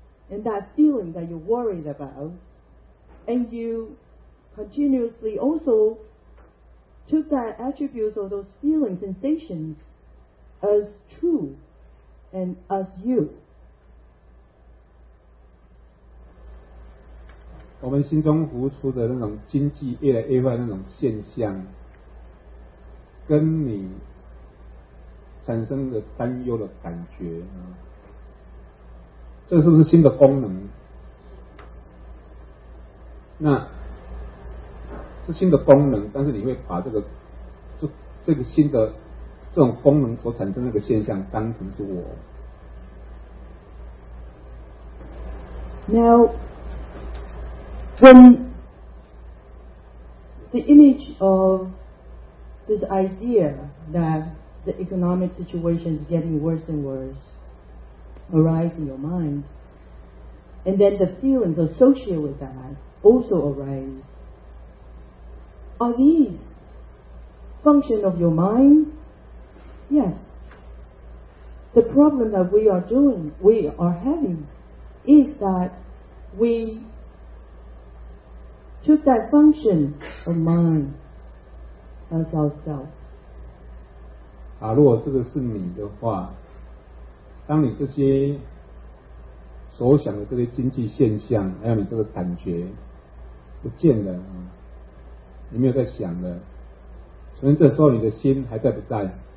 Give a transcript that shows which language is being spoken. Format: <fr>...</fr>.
<en>And that feeling that you're worried about, and you continuously also took that attributes of those feelings, sensations, as true and as you.</en> <zh>我们心中浮出的那种经济越来越坏那种现象，跟你产生的担忧的感觉，这是不是新的功能？那是新的功能，但是你会把这个这个新的这种功能所产生的那个现象当成是我。</zh> <en>Now when the image of this idea that the economic situation is getting worse and worse arise in your mind, and then the feelings associated with that also arise, are these function of your mind? Yes. The problem that we are having, is that we took that function of mind as ourselves.</en> <zh>啊，如果这个是你的话，当你这些所想的这些经济现象，还有你这个感觉不见了啊，你没有在想了，所以这时候你的心还在不在？</zh>